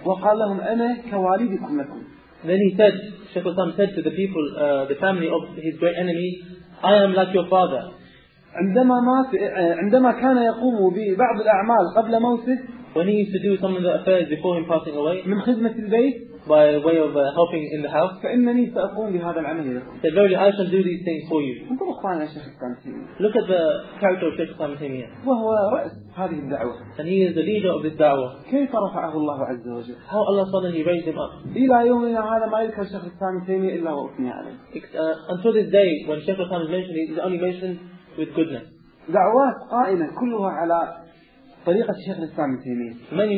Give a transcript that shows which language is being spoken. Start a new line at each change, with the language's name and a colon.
Arabic: وقال لهم أنا كوالدكم لكم.
English: Then he said, Shaykh Hassan said to the people, the family of his great enemy, I am like your father.
Arabic: عندما كان يقوم ببعض الأعمال قبل موته.
English: When he used to do some of the affairs before him passing away.
Arabic: من خدمة البيت.
English: By way of helping in the house.
Arabic: فإنني سأقوم بهذا العمل لكم.
English: So verily I shall do these things for you.
Arabic: انظروا إخواننا الشيخ الإسلام تيمية.
English: Look at the character of Sheikh Islam Taymiyyah.
Arabic: وهو رأس هذه الدعوة.
English: And he is the leader of this دعوة.
Arabic: كيف رفعه الله عز وجل.
English: How Allah suddenly raised him up.
Arabic: إلى يومنا هذا ما يذكر الشيخ الإسلام تيمية إلا وأثني عليه.
English: Until this day when Sheikh Islam is mentioned, he is only mentioned with goodness.
Arabic: دعوات قائمة كلها على طريقة الشيخ الإسلام تيمية.